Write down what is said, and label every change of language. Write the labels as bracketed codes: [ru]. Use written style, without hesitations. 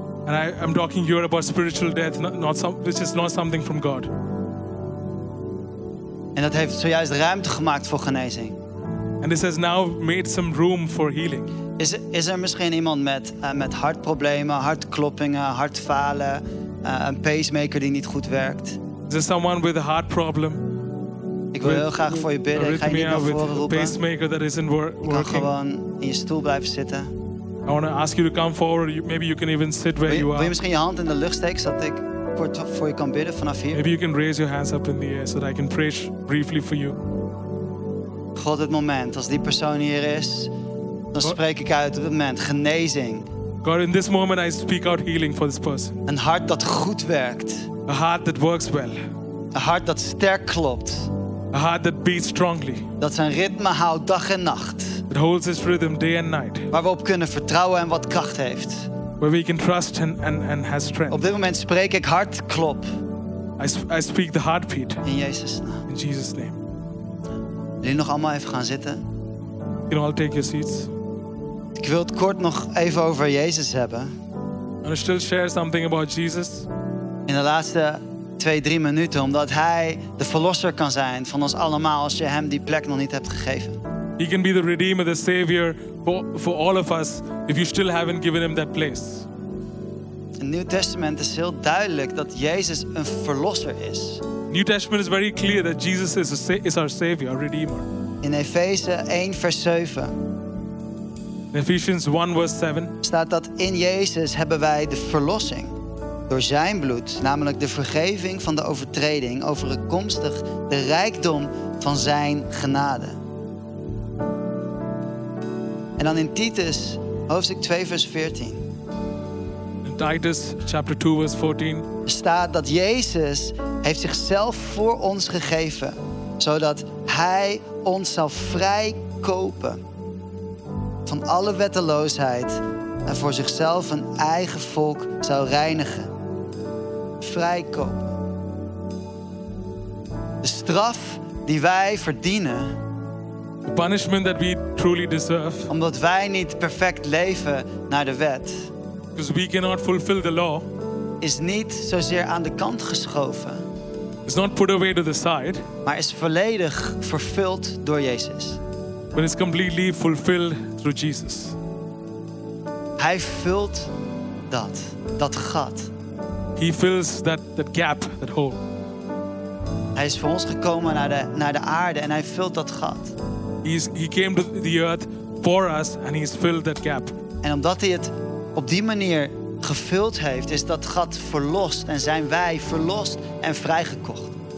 [en] And I'm talking here about spiritual death, which is not something from God. [nl] En dat heeft zojuist ruimte gemaakt voor genezing. [en] And this has now made some room for healing. [nl] Is er misschien iemand met hartproblemen, hartkloppingen, hartfalen, een pacemaker die niet goed werkt? [en] Is there someone with a heart problem? [nl] Ik wil heel graag voor je bidden. Ik ga je niet naar voren roepen. [en] With a pacemaker that isn't working. [nl] Je kan gewoon in je stoel blijven zitten. [en] I want to ask you to come forward. Maybe you can even sit where you are. [nl] Wil je misschien je hand in de lucht steken zodat ik voor je kan bidden vanaf hier? [en] Maybe you can raise your hands up in the air so that I can pray briefly for you. [nl] God, het moment als die persoon hier is, dan spreek ik uit op het moment genezing. [en] God, in this moment I speak out healing for this person. [nl] Een hart dat goed werkt. [en] A heart that works well. [nl] Een hart dat sterk klopt. [en] A heart that beats strongly. [nl] Dat zijn ritme houdt dag en nacht. [en] It holds its rhythm day and night. [nl] Waar we op kunnen vertrouwen en wat kracht heeft. [en] Where we can trust and has strength. [nl] Op dit moment spreek ik hartklop. [en] I speak the heartbeat. [nl] In Jezus' naam. [en] In Jesus' name. [nl] Wil je nog allemaal even gaan zitten? [en] You can all take your seats. [nl] Ik wil het kort nog even over Jezus hebben. [en] I want to still share something about Jesus. [nl] In de laatste 2-3 minuten, omdat hij de verlosser kan zijn van ons allemaal als je hem die plek nog niet hebt gegeven. [en] He can be the redeemer, the savior for all of us if you still haven't given him that place. [nl] Het Nieuw Testament is heel duidelijk dat Jezus een verlosser is. [en] New Testament is very clear that Jesus is our savior, our redeemer. [nl] In Efeze 1 vers 7. [en] In Ephesians 1 verse 7 [nl] staat dat in Jezus hebben wij de verlossing. Door zijn bloed, namelijk de vergeving van de overtreding, overeenkomstig de rijkdom van zijn genade. En dan in Titus, hoofdstuk 2, vers 14. [en] In Titus chapter 2 verse 14. [nl] Staat dat Jezus heeft zichzelf voor ons gegeven, zodat hij ons zal vrijkopen van alle wetteloosheid en voor zichzelf een eigen volk zou reinigen. Vrijkopen. De straf die wij verdienen, [en] the punishment that we truly deserve, [nl] omdat wij niet perfect leven naar de wet, [en] because we cannot fulfill the law, [nl] is niet zozeer aan de kant geschoven, [en] it's not put away to the side, [nl] maar is volledig vervuld door Jezus. [en] But it's completely fulfilled through Jesus. [nl] Hij vult dat gat. [en] He fills that gap, that hole. [nl] Hij is voor ons gekomen naar de aarde en hij vult dat gat. [en] He came to the earth for us and he's filled that gap. [nl] En omdat hij het op die manier gevuld heeft, is dat gat verlost en zijn wij verlost en vrijgekocht.